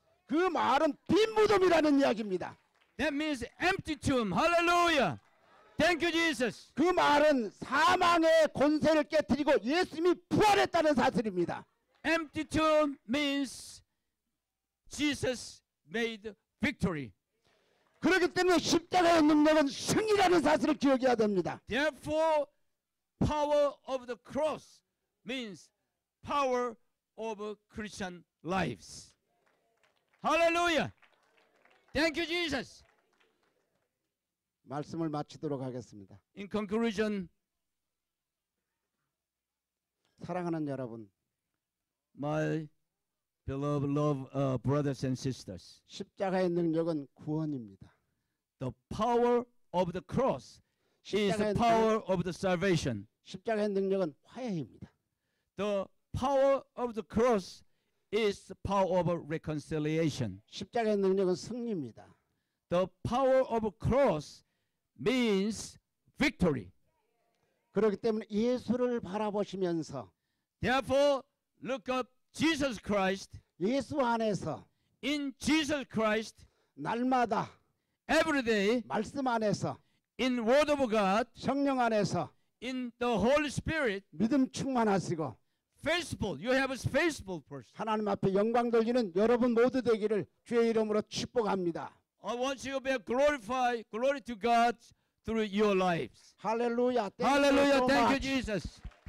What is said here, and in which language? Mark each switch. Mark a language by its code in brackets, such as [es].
[ko] 그 말은 빈 무덤이라는 이야기입니다. [en] That means empty tomb. Hallelujah. Thank you, Jesus. [ko] 그 말은 사망의 권세를 깨뜨리고 예수님이 부활했다는 사실입니다. [en] Empty tomb means Jesus made victory. [ko] 그렇기 때문에 십자가의 능력은 승리라는 사실을 기억해야 됩니다. [en] Therefore, power of the cross means power of Christian lives. Hallelujah. Thank you, Jesus. [ko] 말씀을 마치도록 하겠습니다. [en] In conclusion, [ko] 사랑하는 여러분, [en] my beloved brothers and sisters, [ko] 십자가의 능력은 구원입니다. [en] The power of the cross is the power of the salvation. [ko] 십자가의 능력은 화해입니다. [en] The power of the cross is the power of reconciliation. [ko] 십자가의 능력은 승리입니다. [en] The power of the cross means victory. [ko] 그렇기 때문에 예수를 바라보시면서 [en] therefore look up Jesus Christ [ko] 예수 안에서 [en] in Jesus Christ [ko] 날마다 [en] Every day, [ko] 말씀 안에서, [en] in Word of God, [ko] 성령 안에서, [en] in the Holy Spirit, [ko] 믿음 충만하시고, [en] faithful, you have a faithful person. [ko] 하나님 앞에 영광 돌리는 여러분 모두 되기를 주의 이름으로 축복합니다. [en] I want you to be glorified, glory to God through your lives. Hallelujah. Thank Hallelujah. You so thank much. You, Jesus.